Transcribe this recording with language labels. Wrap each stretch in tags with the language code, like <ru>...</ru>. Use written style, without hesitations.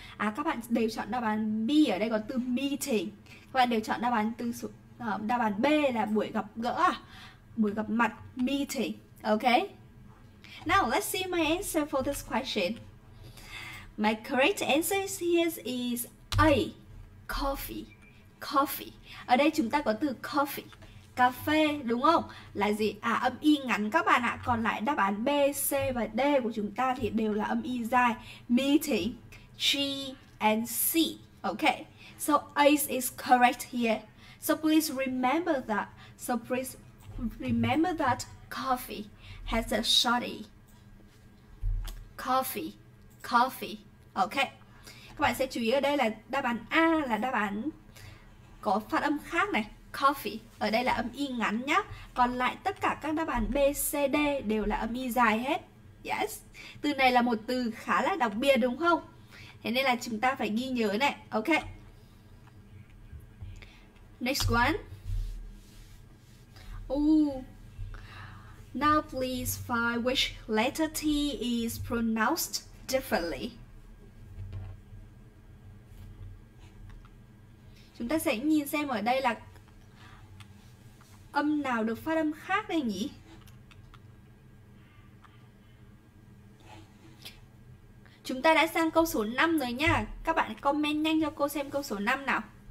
<vi>À, các bạn đều chọn đáp án B. Ở đây có từ meeting. Các bạn đều chọn đáp án từ đáp án B là buổi gặp gỡ, buổi gặp mặt, meeting. Okay.</vi> <en>Now let's see my answer for this question. My correct answer here is A, coffee. coffee.</en> <vi>Ở đây chúng ta có từ coffee, cà phê đúng không? Là gì? À, âm y ngắn các bạn ạ. Còn lại đáp án B, C và D của chúng ta thì đều là âm y dài.</vi> <en>Meeting, tree and sea. Okay. So A is correct here. So please remember that. So please remember that coffee has a short e. Coffee, coffee. Okay.</en> <vi>Các bạn sẽ chú ý ở đây là đáp án A là đáp án có phát âm khác này. Coffee ở đây là âm y ngắn nhá. Còn lại tất cả các đáp án B, C, D đều là âm y dài hết. Yes. Từ này là một từ khá là đặc biệt đúng không? Thế nên là chúng ta phải ghi nhớ này. Ok.</vi> <en>Next one. Ooh. Now please find which letter T is pronounced differently.</en> <vi>Chúng ta sẽ nhìn xem ở đây là âm nào được phát âm khác đây nhỉ? Chúng ta đã sang câu số 5 rồi nha. Các bạn comment nhanh cho cô xem câu số 5 nào.</vi>